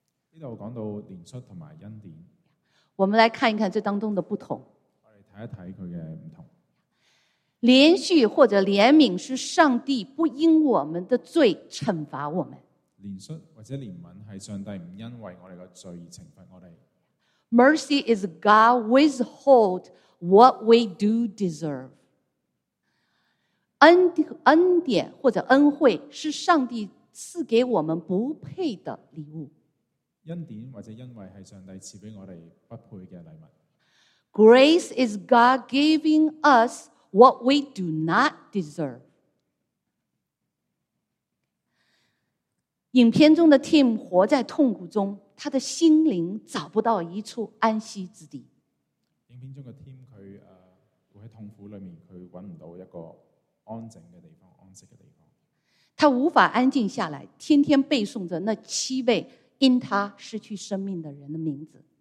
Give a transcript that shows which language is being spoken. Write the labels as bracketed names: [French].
[Chinese] 这里讲到连续和恩典。我们来看一看这当中的不同。我们看一看它的不同。连续或者怜悯是上帝不因我们的罪惩罚我们。连续或者怜悯是上帝不因为我们的罪惩罚我们。 [English] Mercy is God withhold what we do deserve. [Chinese] 恩典或者恩惠是上帝赐给我们不配的礼物。恩典或者恩惠是上帝赐给我们不配的礼物。 [English] Grace is God giving us what we do not deserve. [Chinese] 影片中的 Tim 活在痛苦中，他的心灵找不到一处安息之地。影片中的 Tim 他在痛苦里面，他找不到一个安静的地方、安息的地方。他无法安静下来，天天背诵着那七位因他失去生命的人的名字。